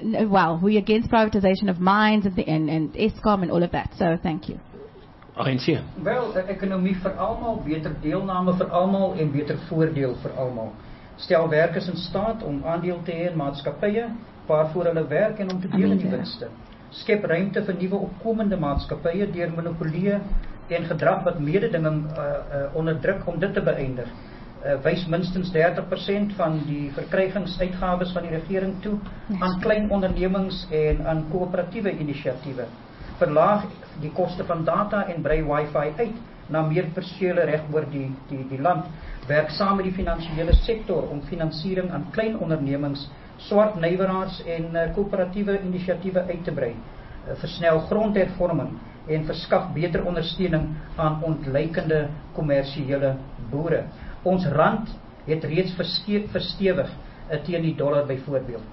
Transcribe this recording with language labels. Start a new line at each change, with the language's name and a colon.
English: Well, we're against privatisation of mines and Eskom and all of that, so thank you.
Afrikaans: Wel, de economie voor allemaal, beter deelname voor allemaal en beter voordeel voor allemaal. Stel werkers in staat om aandeel te hê in maatskappye waarvoor hulle werk en om te deel in die winste. Skep ruimte vir nuwe opkomende maatskappye deur monopolieë en gedrag wat mededinging onderdruk om dit te beëindig. Wys minstens 30% van die verkrygingsuitgawes van die regering toe aan klein ondernemings en aan koöperatiewe inisiatiewe. Verlaag die koste van data en brei wifi uit na meer persele reg oor die land. Werk saam met die finansiële sektor om finansiering aan klein ondernemings, swart nywerhaars en koöperatiewe inisiatiewe uit te brei. Versnel grondhervorming en verskaf beter ondersteuning aan ontluikende kommersiële boere. Ons rand het reeds verstewig teen die dollar byvoorbeeld.